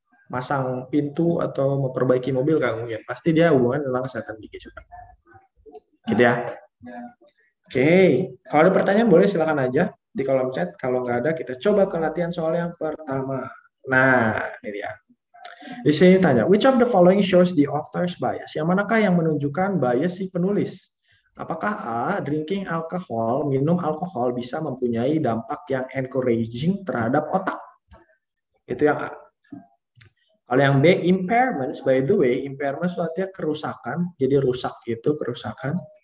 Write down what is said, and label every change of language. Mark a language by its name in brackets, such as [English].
[Indonesian] masang pintu atau memperbaiki mobil kan mungkin. Pasti dia hubungan tentang kesehatan gigi juga. Gitu ya. Oke, kalau ada pertanyaan boleh silakan aja di kolom chat. Kalau nggak ada, kita coba ke latihan soal yang pertama. Nah, ini ya. Di sini tanya, [English] which of the following shows the author's bias? [Indonesian] Yang manakah yang menunjukkan bias si penulis? Apakah A, drinking alcohol, minum alkohol bisa mempunyai dampak yang encouraging terhadap otak? Itu yang A. Kalau yang B, impairments, by the way, impairments artinya kerusakan, jadi rusak itu kerusakan.